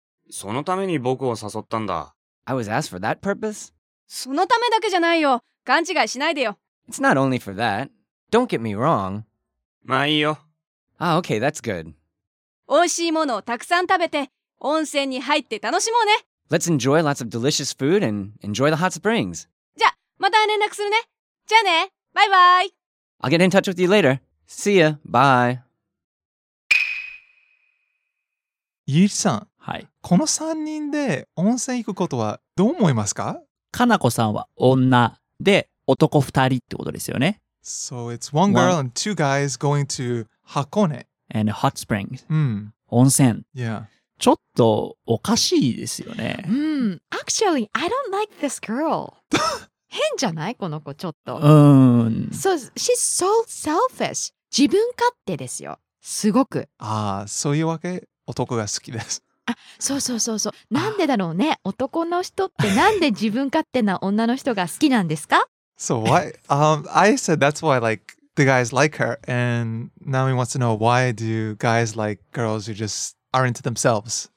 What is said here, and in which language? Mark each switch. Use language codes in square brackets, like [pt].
[ja] そのために僕を誘ったんだ。 [en] I was asked for that purpose? [ja] そのためだけじゃないよ。勘違いしないでよ。 [en] It's not only for that. Don't get me wrong. [ja] まあいいよ。 [en] Ah, okay, that's good. [ja] 美味しいものをたくさん食べて、温泉に入って楽しもうね。 [en] Let's enjoy lots of delicious food and enjoy the hot springs. [ja] じゃ、また連絡するね。じゃあね、バイバイ。 [en] I'll get in touch with you later. See ya. Bye. [ja] ゆいちさん、はい。この3人で温泉行くことはどう思いますか？かなこさんは女で男2人ってことですよね。 [en] So it's one girl and two guys going to Hakone. And hot springs.、うん、 [ja] 温泉。 [en] Yeah. [ja] ちょっとおかしいですよね。 [en] Actually, I don't like this girl. [ja] 変じゃないこの子ちょっと。 [en] So, she's so selfish. [ja] 自分勝手ですよ。すごく。ああ、そういうわけ男が好きです。そうそうそうそう。なんでだろうね。男の人ってなんで自分勝手な女の人が好きなんですか？ [en] So why? I said that's why like the guys like her. And Naomi wants to know why do guys like girls who just aren't into themselves?